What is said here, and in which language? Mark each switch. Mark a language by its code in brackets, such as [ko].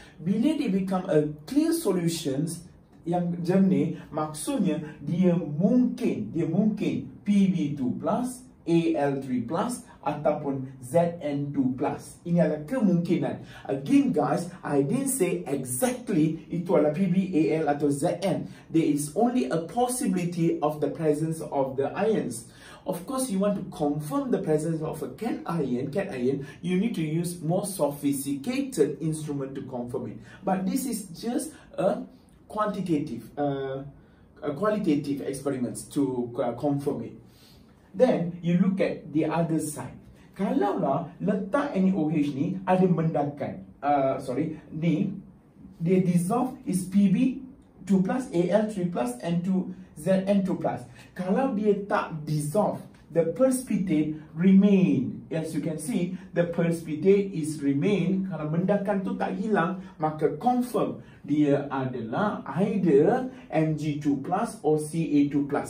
[ms] Bila dia [en] become a clear solutions [ms] yang jernih, maksudnya dia mungkin Pb2+, Al3+ ataupun Zn2+. Ini adalah kemungkinan. [en] Again guys, I didn't say exactly [ms] itu adalah PbAl atau Zn. [en] There is only a possibility of the presence of the ions. Of course, you want to confirm the presence of a cation, you need to use more sophisticated instrument to confirm it. But this is just a quantitative, qualitative experiments to confirm it. Then, you look at the other side. [ms] Kalaulah letak NaOH ni ada mendakan, ni, dia dissolve is Pb2+, Al3+, Zn2+. Kalau dia tak dissolve, [en] the perspidate remain. As you can see, the perspidate is remain. [ms] Kalau mendakan tu tak hilang, maka confirm dia adalah [en] either Mg2+ or Ca2+.